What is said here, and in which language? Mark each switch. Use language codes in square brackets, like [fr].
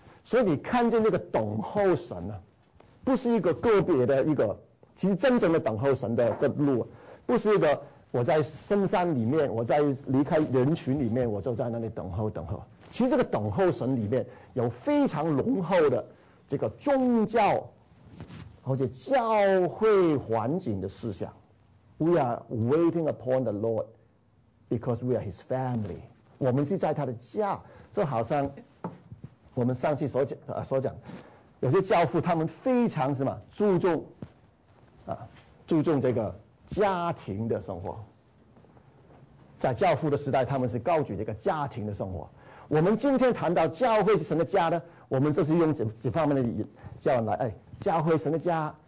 [zh] 所以你看见那个等候神呢，不是一个个别的一个，其实真正的等候神的路，不是一个我在深山里面，我在离开人群里面，我就在那里等候等候。其实这个等候神里面有非常浓厚的这个宗教或者教会环境的思想。 [en] We are waiting upon the Lord because we are His family. [zh] 我们是在他的家，就好像我们上次所讲，有些教父他们非常什么注重这个家庭的生活。在教父的时代，他们是高举这个家庭的生活。我们今天谈到教会是神的家呢，我们就是用这方面的教来，哎，教会神的家。